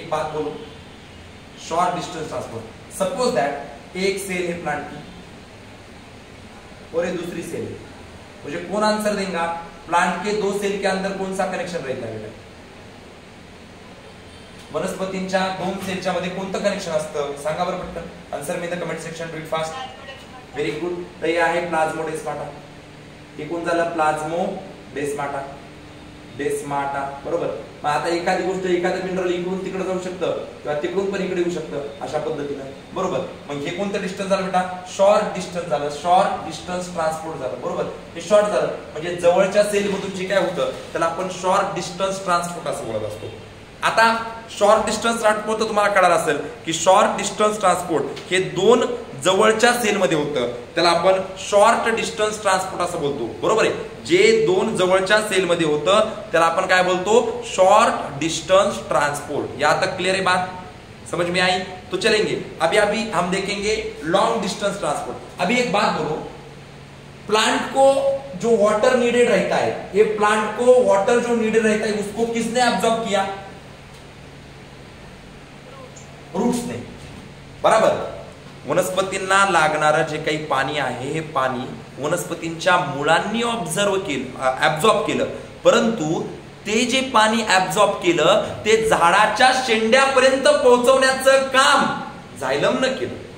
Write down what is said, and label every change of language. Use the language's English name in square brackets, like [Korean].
[Hindi] एक बात बोलो, short distance transport, suppose that एक सेल है प्लांट की और एक दूसरी सेल है, मुझे कौन आंसर देगा, प्लांट के दो सेल के अंदर कौन सा कनेक्शन रहता है, [Marathi] वनस्पतींच्या दोन सेलच्या मध्ये कोणतं कनेक्शन असतं सांगा बरं पटकन, [English] Answer me the comment section, do it fast, very good. [Marathi] तर हे आहे प्लाझ्मोडेस्माटा, हे कोण झालं, प्लाझ्मोडेस्माटा, डेस्माटा बरोबर। मग आता एखादी गोष्ट एखादं मिनरल इकडून तिकडे जाऊ शकतं किंवा तिकडून पण इकडे येऊ शकतं अशा पद्धतीनं बरोबर, मग हे कोणतं डिस्टन्स झालं बेटा, शॉर्ट डिस्टन्स झालं, शॉर्ट डिस्टन्स ट्रान्सपोर्ट झालं बरोबर, हे शॉर्ट झालं म्हणजे जवळच्या सेल मधून जे काय होतं त्याला आपण शॉर्ट डिस्टन्स ट्रान्सपोर्ट असं बोलत असतो। आता शॉर्ट डिस्टन्स ट्रान्सपोर्ट तुम्हाला कळालं असेल की शॉर्ट डिस्टन्स ट्रान्सपोर्ट हे दोन जवळच्या सेल मध्ये होतं त्याला आपण शॉर्ट डिस्टन्स ट्रान्सपोर्ट असं बोलतो बरोबर आहे, जे दोन जवळच्या सेल मध्ये होतं त्याला आपण काय बोलतो, शॉर्ट डिस्टन्स ट्रान्सपोर्ट। [Hindi] या तक क्लियर आहे बात, समझ में आई, तो चलेंगे अभी अभी हम देखेंगे लॉन्ग डिस्टन्स ट्रान्सपोर्ट। अभी एक बात बोलो, प्लांट को जो वॉटर नीडेड रहता है, ये प्लांट को वॉटर जो नीडेड रहता है उसको किसने अब्सॉर्ब किया, रूट्स ने बराबर, [Marathi] वनस्पतींना लागणारं जे काही पाणी आहे हे पाणी वनस्पतींच्या मुळांनी ऑब्झर्व केलं, ऍब्सॉर्ब केलं, परंतु ते जे पाणी ऍब्सॉर्ब केलं ते झाडाच्या शेंड्यापर्यंत पोहोचवण्याचं काम झायलमनं केलं,